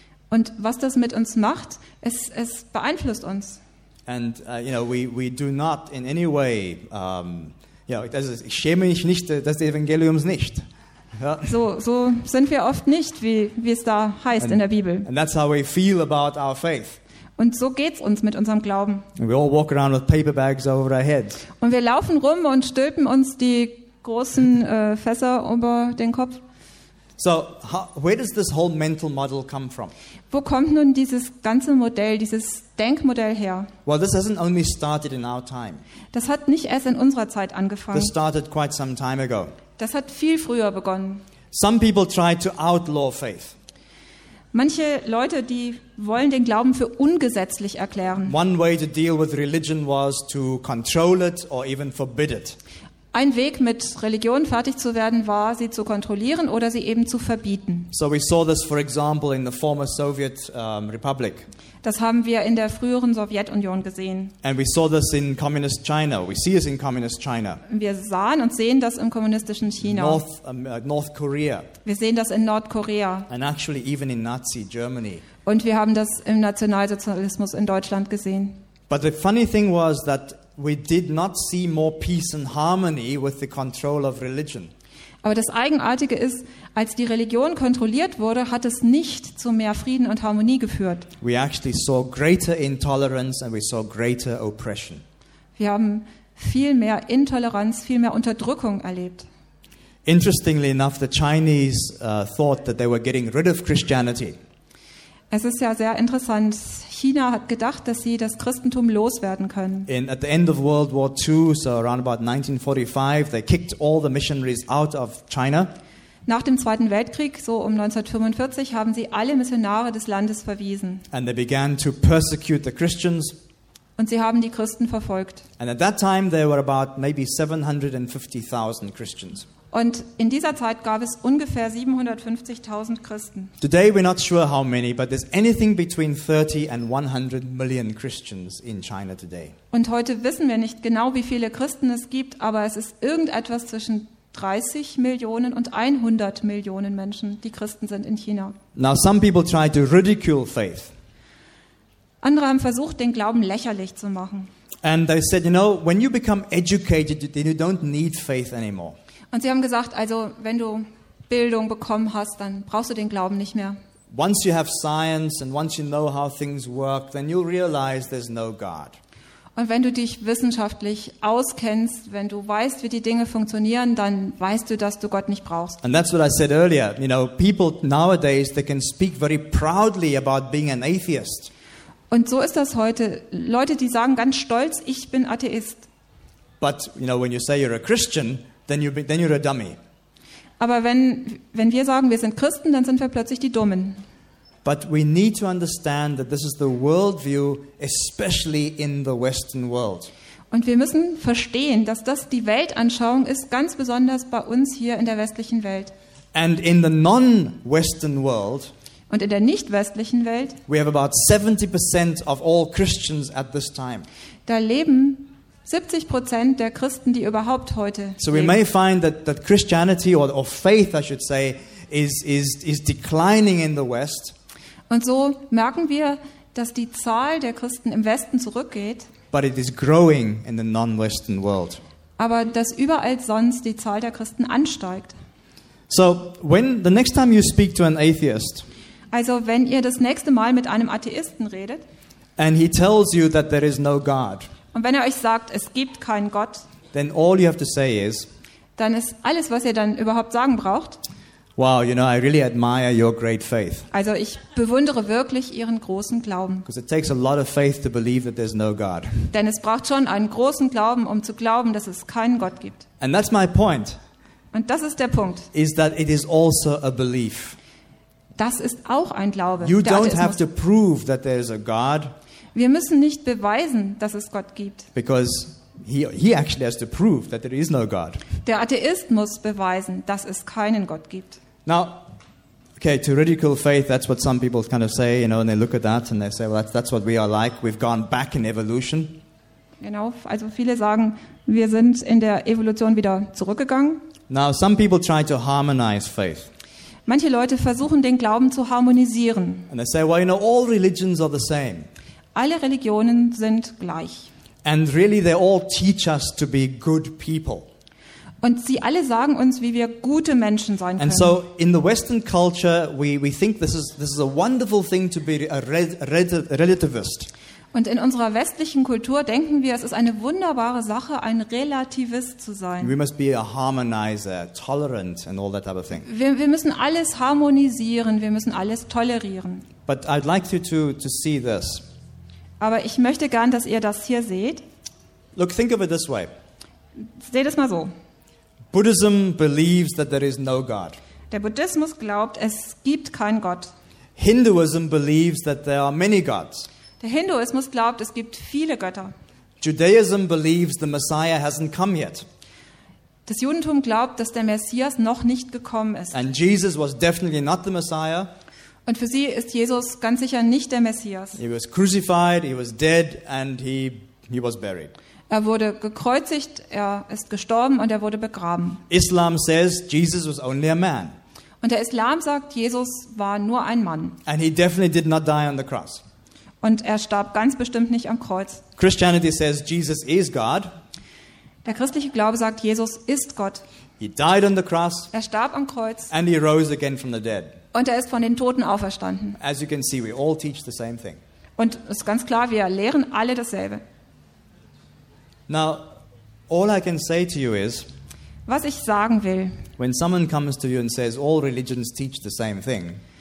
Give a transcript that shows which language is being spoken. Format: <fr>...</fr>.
<de>Und was das mit uns macht, es beeinflusst uns.</de> <en>And you know, we do not in any way.</en> <de>Ja, ich schäme mich nicht des Evangeliums nicht. Ja. So sind wir oft nicht, wie es da heißt in der Bibel.</de> <en>And that's how we feel about our faith.</en> <de>Und so geht's uns mit unserem Glauben.</de> <en>And we all walk around with paper bags over our heads.</en> <de>Und wir laufen rum und stülpen uns die großen Fässer über den Kopf.</de> <en>So, where does this whole mental model come from?</en> <de>Wo kommt nun dieses ganze Modell, dieses Denkmodell her?</de> <en>Well, this hasn't only started in our time.</en> <de>Das hat nicht erst in unserer Zeit angefangen.</de> <en>This started quite some time ago.</en> <de>Das hat viel früher begonnen.</de> <en>Some people try to outlaw faith.</en> <de>Manche Leute, die wollen den Glauben für ungesetzlich erklären.</de> <en>One way to deal with religion was to control it or even forbid it.</en> <de>Ein Weg, mit Religion fertig zu werden, war, sie zu kontrollieren oder sie eben zu verbieten.</de> <en>So we saw this, for example, in the former Soviet Republic.</en> <de>Das haben wir in der früheren Sowjetunion gesehen.</de> <en>And we saw this in communist China. We see this in communist China.</en> <de>Wir sahen und sehen das im kommunistischen China.</de> <en>North Korea.</en> <de>Wir sehen das in Nordkorea.</de> <en>And actually even in Nazi Germany.</en> <de>Und wir haben das im Nationalsozialismus in Deutschland gesehen.</de> <en>But the funny thing was that we did not see more peace and harmony with the control of religion.</en> <de>Aber das Eigenartige ist, als die Religion kontrolliert wurde, hat es nicht zu mehr Frieden und Harmonie geführt.</de> <en>We actually saw greater intolerance and we saw greater oppression.</en> <de>Wir haben viel mehr Intoleranz, viel mehr Unterdrückung erlebt.</de> <en>Interestingly enough, the Chinese thought that they were getting rid of Christianity.</en> <de>Es ist ja sehr interessant. China hat gedacht, dass sie das Christentum loswerden können.</de> <en>At the end of World War II, so around about 1945, they kicked all the missionaries out of China.</en> <de>Nach dem Zweiten Weltkrieg, so um 1945, haben sie alle Missionare des Landes verwiesen.</de> <en>And they began to persecute the Christians.</en> <de>Und sie haben die Christen verfolgt.</de> <en>And at that time there were about maybe 750,000 Christians.</en> <de>Und in dieser Zeit gab es ungefähr 750.000 Christen.</de> <en>Today we're not sure how many, but there's anything between 30 and 100 million Christians in China today.</en> <de>Und heute wissen wir nicht genau, wie viele Christen es gibt, aber es ist irgendetwas zwischen 30 Millionen und 100 Millionen Menschen, die Christen sind in China.</de> <en>Now some people try to ridicule faith.</en> <de>Andere haben versucht, den Glauben lächerlich zu machen.</de> <en>And they said, you know, when you become educated, then you don't need faith anymore.</en> <de>Und sie haben gesagt, also wenn du Bildung bekommen hast, dann brauchst du den Glauben nicht mehr.</de> <en>Once you have science and once you know how things work, then you'll realize there's no God.</en> <de>Und wenn du dich wissenschaftlich auskennst, wenn du weißt, wie die Dinge funktionieren, dann weißt du, dass du Gott nicht brauchst.</de> <en>And that's what I said earlier. You know, people nowadays, they can speak very proudly about being an atheist.</en> <de>Und so ist das heute. Leute, die sagen ganz stolz, ich bin Atheist.</de> <en>But, you know, when you say you're a Christian, then you're a dummy.</en> <de>Aber wenn wir sagen, wir sind Christen, dann sind wir plötzlich die Dummen.</de> <en>But we need to understand that this is the worldview, especially in the Western world.</en> <de>Und wir müssen verstehen, dass das die Weltanschauung ist, ganz besonders bei uns hier in der westlichen Welt.</de> <en>And in the non-Western world,</en> <de>und in der nicht-westlichen Welt,</de> <en>we have about 70% of all Christians at this time.</en> <de>Da leben 70% der Christen, die überhaupt heute leben.</de> <en>So we may find that Christianity or faith, I should say, is declining in the West.</en> <de>Und so merken wir, dass die Zahl der Christen im Westen zurückgeht.</de> <en>But it is growing in the non-Western world.</en> <de>Aber dass überall sonst die Zahl der Christen ansteigt.</de> <en>So when the next time you speak to an atheist.</en> <de>Also wenn ihr das nächste Mal mit einem Atheisten redet.</de> <en>And he tells you that there is no God.</en> <de>Und wenn er euch sagt, es gibt keinen Gott.</de> <en>Then all you have to say is.</en> <de>Dann ist alles, was ihr dann überhaupt sagen braucht.</de> <en>Wow, you know, I really admire your great faith.</en> <de>Also, ich bewundere wirklich ihren großen Glauben.</de> <en>Because it takes a lot of faith to believe that there's no God.</en> <de>Denn es braucht schon einen großen Glauben, um zu glauben, dass es keinen Gott gibt.</de> <en>And that's my point.</en> <de>Und das ist der Punkt.</de> <en>Is that it is also a belief.</en> <de>Das ist auch ein Glaube.</de> <en>You don't have to prove that there's a God.</en> <de>Wir müssen nicht beweisen, dass es Gott gibt.</de> <en>Because he actually has to prove that there is no God.</en> <de>Der Atheist muss beweisen, dass es keinen Gott gibt.</de> <en>Now, okay, to ridicule faith, that's what some people kind of say, you know, and they look at that and they say, well, that's what we are like. We've gone back in evolution.</en> <de>Genau, also viele sagen, wir sind in der Evolution wieder zurückgegangen.</de> <en>Now, some people try to harmonize faith.</en> <de>Manche Leute versuchen, den Glauben zu harmonisieren.</de> <en>And they say, well, you know, all religions are the same.</en> <de>Alle Religionen sind gleich.</de> <en>And really, they all teach us to be good people.</en> <de>Und sie alle sagen uns, wie wir gute Menschen sein können.</de> <en>And so in the Western culture, we think this is a wonderful thing to be a relativist.</en> <de>Und in unserer westlichen Kultur denken wir, es ist eine wunderbare Sache, ein Relativist zu sein.</de> <en>We must be a harmonizer, tolerant, and all that type of thing.</en> <de>Wir müssen alles harmonisieren, wir müssen alles tolerieren.</de> <en>But I'd like you to see this.</en> <de>Aber ich möchte gern, dass ihr das hier seht.</de> <en>Look, think of it this way.</en> <de>Seht es mal so.</de> <en>Buddhism believes that there is no God.</en> <de>Der Buddhismus glaubt, es gibt keinen Gott.</de> <en>Hinduism believes that there are many gods.</en> <de>Der Hinduismus glaubt, es gibt viele Götter.</de> <en>Judaism believes the Messiah hasn't come yet.</en> <de>Das Judentum glaubt, dass der Messias noch nicht gekommen ist.</de> <en>And Jesus was definitely not the Messiah.</en> <de>Und für sie ist Jesus ganz sicher nicht der Messias.</de> <en>He was crucified, he was dead and he was buried.</en> <de>Er wurde gekreuzigt, er ist gestorben und er wurde begraben.</de> <en>Islam says Jesus was only a man.</en> <de>Und der Islam sagt, Jesus war nur ein Mann.</de> <en>And he definitely did not die on the cross.</en> <de>Und er starb ganz bestimmt nicht am Kreuz.</de> <en>Christianity says Jesus is God.</en> <de>Der christliche Glaube sagt, Jesus ist Gott.</de> <en>He died on the cross.</en> <de>Er starb am Kreuz.</de> <en>And he rose again from the dead.</en> <de>Und er ist von den Toten auferstanden.</de> <en>As you can see, we all teach the same thing.</en> <de>Und es ist ganz klar, wir lehren alle dasselbe.</de> <en>Now, all I can say to you is,</en> <de>was ich sagen will,</de> <en>when someone comes to you and says, all religions teach the same thing,</en>